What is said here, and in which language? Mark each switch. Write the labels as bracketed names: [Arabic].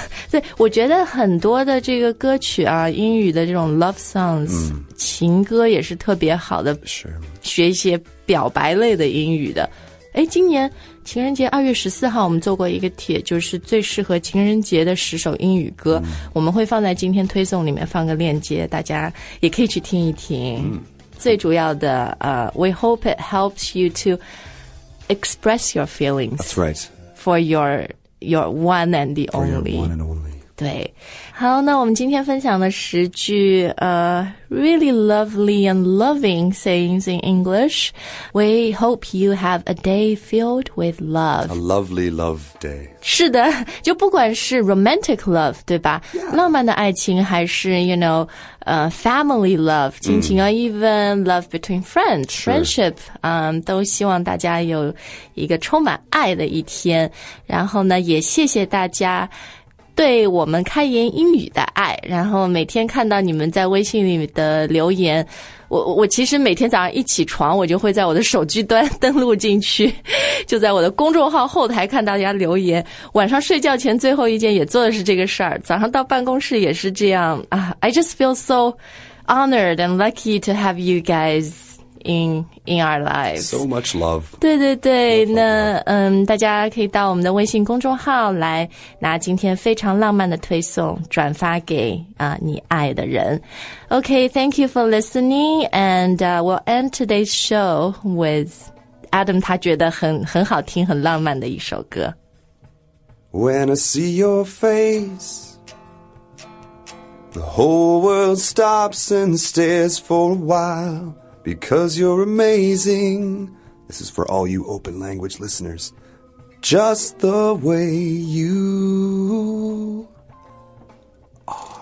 [Chinese] 对我觉得很多的这个歌曲啊英语的这种 [English] love songs、 [Chinese] 情歌也是特别好的是学一些表白类的英语的诶今年情人节2月14号我们做过一个帖就是最适合情人节的十首英语歌、我们会放在今天推送里面放个链接大家也可以去听一听、最主要的 [English] we hope it helps you to express your feelings That's right for your one and the only. For your one and only. [Chinese] 对。好那我们今天分享的十句 [English] really lovely and loving sayings in English. We hope you have a day filled with love. A lovely love day. [Chinese] 是的就不管是 romantic love, 对吧、浪漫的爱情还是 [English] you know, [Chinese] family love, 亲情、 [English] or even love between friends,、 [Chinese] friendship, 都希望大家有一个充满爱的一天。然后呢也谢谢大家对我们开言英语的爱然后每天看到你们在微信里的留言我其实每天早上一起床我就会在我的手机端登录进去就在我的公众号后台看大家留言晚上睡觉前最后一件也做的是这个事儿早上到办公室也是这样啊 [English] I just feel so honored and lucky to have you guys in our lives. So much love. [Chinese] 对对对，那大家可以到我们的微信公众号来拿今天非常浪漫的推送，转发给你爱的人。 [English] Okay, thank you for listening, and we'll end today's show with Adam. [Chinese] 他觉得很好听、很浪漫的一首歌。 [English] When I see your face. The whole world stops and stares for a while because you're amazing. This is for all you open language listeners. Just the way you are.